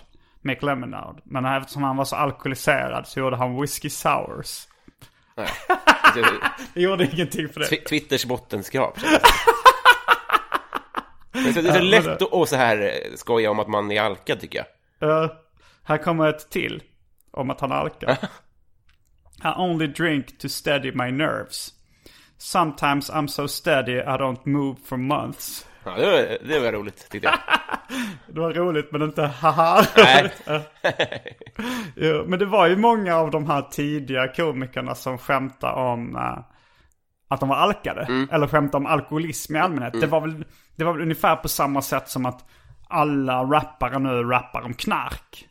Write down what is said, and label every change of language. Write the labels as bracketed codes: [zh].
[sv] Mm. Make lemonade. Men eftersom han var så alkoholiserad så gjorde han whiskey sours. Nej. Det gjorde ingenting för det. Twitters bottenskrap. Det är lätt att så här skoja om att man är alkad, tycker jag. Här kommer ett till om att han alkar. [en] I only drink to steady my nerves. Sometimes I'm so steady I don't move for months. [sv] Ja, det var roligt, tyckte jag. Det var roligt, men inte haha. Nej. Ja, men det var ju många av de här tidiga komikerna som skämtade om att de var alkade. Mm. Eller skämtade om alkoholism i allmänhet. Mm. Det var väl ungefär på samma sätt som att alla rappare nu rappar om knark.